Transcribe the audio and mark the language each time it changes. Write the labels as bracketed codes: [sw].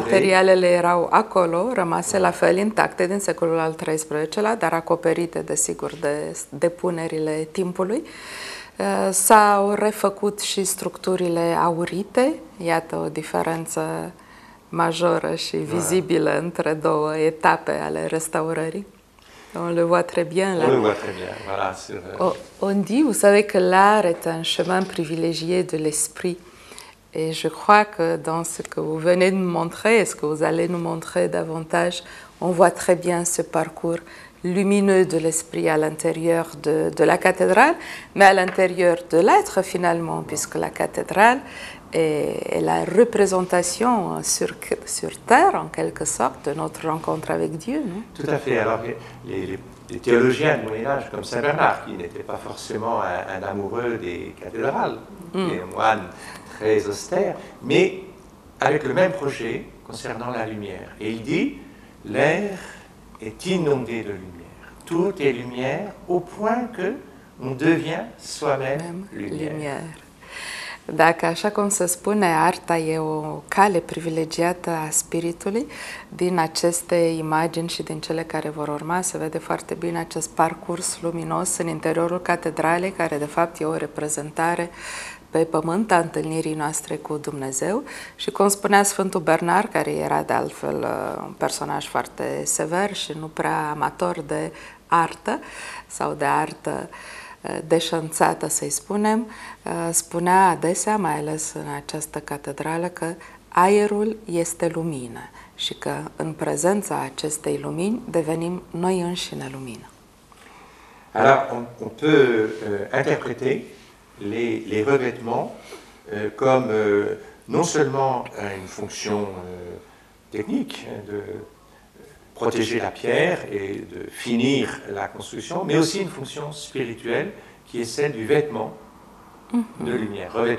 [ro] Materialele erau acolo, rămase la fel intacte din secolul al XIII-lea, dar acoperite, desigur, de depunerile timpului. S-au refăcut și structurile aurite, iată o diferență majoră și vizibilă între două etape ale restaurării. [fr] On le voit très bien là. On le voit très bien, voilà. On dit, vous savez, que l'art est un chemin privilégié de l'esprit. Et je crois que dans ce que vous venez de montrer, et ce que vous allez nous montrer davantage, on voit très bien ce parcours lumineux de l'esprit à l'intérieur de la cathédrale, mais à l'intérieur de l'être finalement, puisque la cathédrale est la représentation sur terre, en quelque sorte, de notre rencontre avec Dieu. Non? Tout à fait. Alors, les théologiens du Moyen-Âge, comme Saint Bernard, qui n'était pas forcément un amoureux des cathédrales, des moines très austères, mais avec le même projet concernant la lumière. Et il dit, l'air est inondé de lumière. Tout est lumière au point que on devient soi-même lumière. [ro] Dacă, așa cum se spune, arta e o cale privilegiată a spiritului, din aceste imagini și din cele care vor urma se vede foarte bine acest parcurs luminos în interiorul catedralei, care de fapt e o reprezentare pe pământ a întâlnirii noastre cu Dumnezeu. Și cum spunea Sfântul Bernard, care era de altfel un personaj foarte sever și nu prea amator de artă sau de artă deșanțată, să-i spunem, spunea adesea, mai ales în această catedrală, că aerul este lumină și că în prezența acestei lumini devenim noi înșine lumină. [fr] Alors, on peut interpréter les revêtements comme non seulement une fonction technique de protéger la pierre et de finir la construction, mais aussi une fonction spirituelle qui est celle du vêtement de lumière.